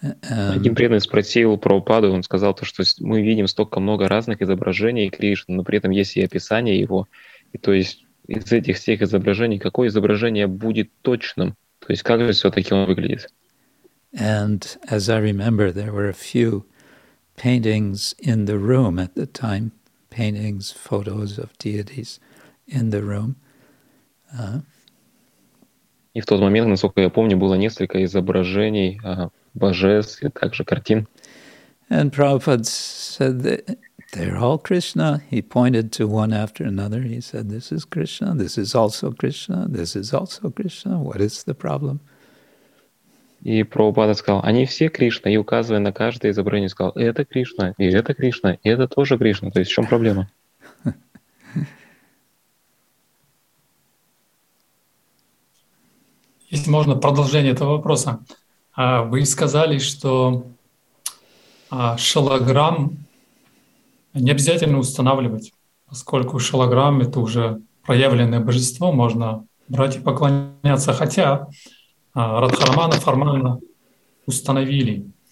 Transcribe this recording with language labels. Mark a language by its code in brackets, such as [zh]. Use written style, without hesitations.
[ru] Один преданный спросил Прабхупаду, он сказал, то, что мы видим столько много разных изображений Кришны, но при этом есть и описание его. И то есть из этих всех изображений, какое изображение будет точным? То есть как же все-таки он выглядит? [en] And as I remember, there were a few paintings in the room at the time, paintings, photos of deities in the room. [ru] И в тот момент, насколько я помню, было несколько изображений божеств и также картин. [en] And Prabhupada said that they're all Krishna. He pointed to one after another. He said, this is Krishna, this is also Krishna, this is also Krishna. What is the problem? [ru] И Прабхупада сказал, они все Кришна. И указывая на каждое изображение, сказал, это Кришна, и это Кришна, и это тоже Кришна. То есть в чем проблема? Если можно, продолжение этого вопроса. Вы сказали, что шалограмм не обязательно устанавливать, поскольку шалограмм — это уже проявленное божество, можно брать и поклоняться, хотя Радхарамана формально установили.